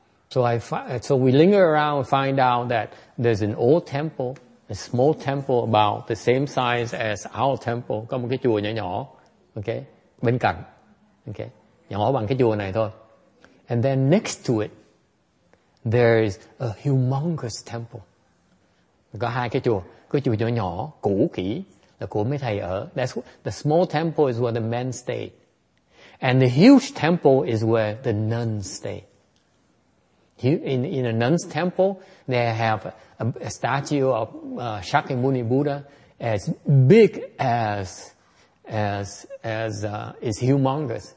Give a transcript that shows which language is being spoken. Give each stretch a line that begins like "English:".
English: So we linger around and find out that there's an old temple, a small temple about the same size as our temple.
Vietnamese: Có một cái chùa nhỏ, okay, bên cạnh, okay, nhỏ bằng cái chùa này thôi.
English: And then next to it, there is a humongous temple.
Vietnamese: Có hai cái chùa nhỏ, cũ kỹ, là của mấy thầy ở.
English: That's what, the small temple is where the men stay. And the huge temple is where the nuns stay. In a nun's temple, they have a statue of Shakyamuni Buddha as big as is humongous.